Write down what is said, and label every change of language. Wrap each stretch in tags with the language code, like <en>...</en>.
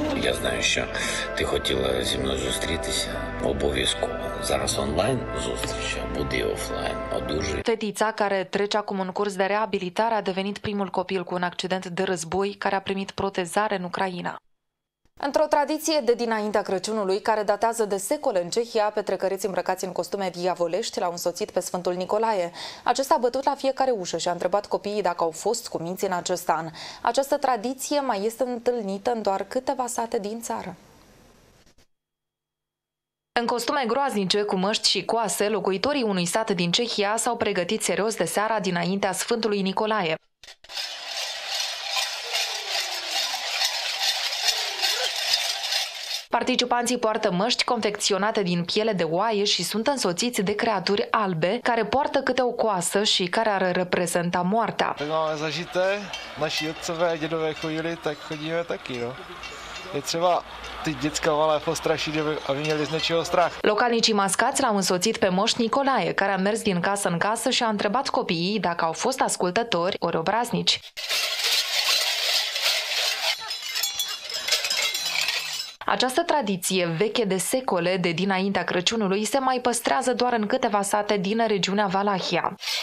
<uk>Я знаю, що ти хотіла зі мною зустрітися. Обов'язково. Зараз онлайн зустріч, буде офлайн. Одужуй.</uk> <ro>Тетіца, care trece acum un curs de reabilitare, a devenit primul copil cu un accident de război care a primit protezare în Ucraina. Într-o tradiție de dinaintea Crăciunului, care datează de secole în Cehia, petrecăreți îmbrăcați în costume diavolești l-au însoțit pe Sfântul Nicolae. Acesta a bătut la fiecare ușă și a întrebat copiii dacă au fost cu minții în acest an. Această tradiție mai este întâlnită în doar câteva sate din țară. În costume groaznice, cu măști și coase, locuitorii unui sat din Cehia s-au pregătit serios de seara dinaintea Sfântului Nicolae. Participanții poartă măști confecționate din piele de oaie și sunt însoțiți de creaturi albe care poartă câte o coasă și care ar reprezenta moartea.</ro> <cs>Tak máme zažité, naši otcové a dědové chodili, tak chodíme taky, no. Je třeba ty děcka malé postrašit, aby měli z něčeho strach.</cs> <ro>Localnicii mascați l-au însoțit pe moș Nicolae, care a mers din casă în casă și a întrebat copiii dacă au fost ascultători ori obraznici. Această tradiție veche de secole, de dinaintea Crăciunului, se mai păstrează doar în câteva sate din regiunea Valahia.</ro>